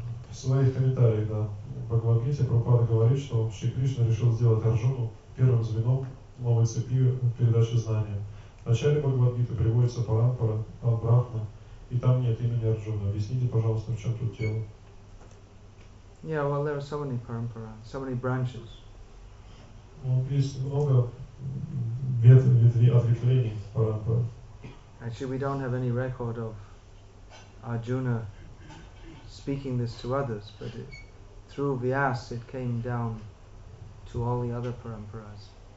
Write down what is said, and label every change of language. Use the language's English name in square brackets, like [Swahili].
[Russian] В своих комментариях, да, Бхагавад Гите Прабхупада говорит, что Шри Кришна решил сделать Арджуну первым звеном новой цепи передачи знания. В начале Бхагавад Гиты приводится парампара от Брахма, и там нет имени Арджуна. Объясните, пожалуйста, в чем тут тело? [English] Yeah, well, there are so many parampara, so many branches. [Russian] Есть много ответвлений парампара. [English] Actually, we don't have any record of Arjuna speaking this to others, but it, through Vyas it came down to all the other paramparas.